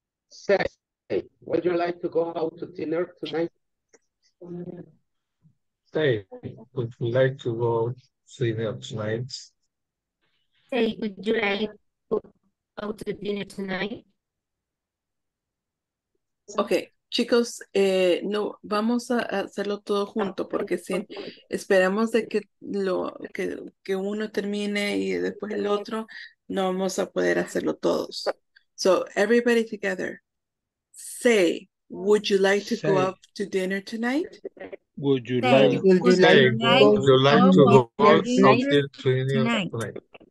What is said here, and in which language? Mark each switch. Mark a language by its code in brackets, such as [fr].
[en] Say, would you like to go out to dinner tonight? Say, would you like to go out to dinner tonight? Say, would you like to go out to dinner tonight? [es] Okay, chicos, no vamos a hacerlo todo junto porque si esperamos de que uno termine y después el otro, no vamos a poder hacerlo todos. [en] So, everybody together, say, would you like to go out to dinner tonight? Would you like to go out to dinner tonight?